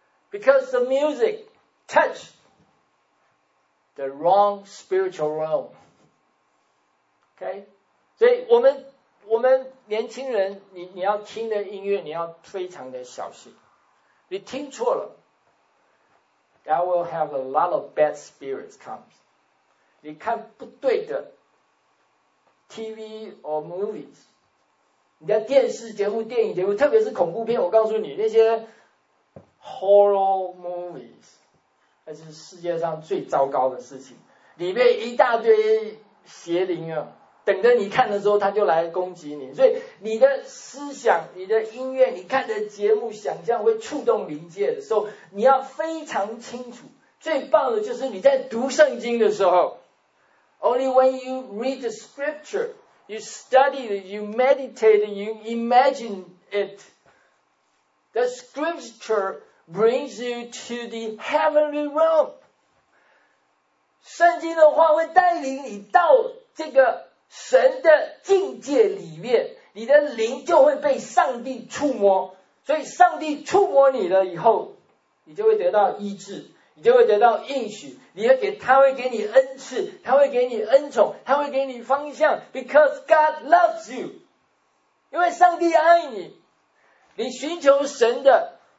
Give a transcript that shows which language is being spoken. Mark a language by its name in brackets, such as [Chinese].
[English] Because the music touched the wrong spiritual realm. [Chinese] Okay, 所以我们年轻人，你要听的音乐，你要非常的小心，你听错了。 [English] That will have a lot of bad spirits come. [Chinese] 你看不对的 [English] TV or movies. [Chinese] 你的电视节目、电影节目，特别是恐怖片，我告诉你，那些 [English] horror movies， [Chinese] 那是世界上最糟糕的事情。里面一大堆邪灵啊，等着你看的时候，他就来攻击你。所以你的思想、你的音乐、你看的节目、想象会触动灵界的时候，你要非常清楚。最棒的就是你在读圣经的时候 [English] ，Only when you read the scripture, you study it, you meditate, you imagine it. The scripture brings you to the heavenly realm. [Chinese] 圣经的话会带领你到这个。神的境界里面你的灵就会被上帝触摸所以上帝触摸你了以后你就会得到医治你就会得到应许你会给他会给你恩赐他会给你恩宠他会给你方向 [English] because God loves you [Chinese] 因为上帝爱你你寻求神的